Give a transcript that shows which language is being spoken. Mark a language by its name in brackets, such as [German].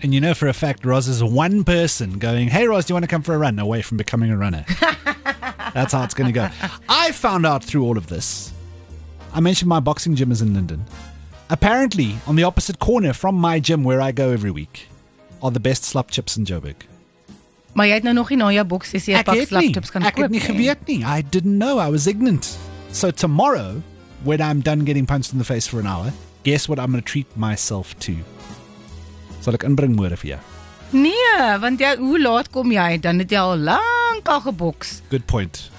[English] And you know for a fact, Roz is one person going, hey Roz, do you want to come for a run away from becoming a runner? That's how it's going to go. I found out through all of this, I mentioned my boxing gym is in Linden. Apparently, on the opposite corner from my gym where I go every week, are the best slop chips in Joburg. [Afrikaans] Maar jy het nou nog nie na jou boks gesê, jy pak slop chips kan koop. Ek het nie geweet nie. [English] I didn't know, I was ignorant. So tomorrow, when I'm done getting punched in the face for an hour, guess what I'm going to treat myself to? [Afrikaans] Sal ek inbring môre vir jou? Nee, want jy, hoe laat kom jy? Dan het jy al lank al geboks. [English] Good point.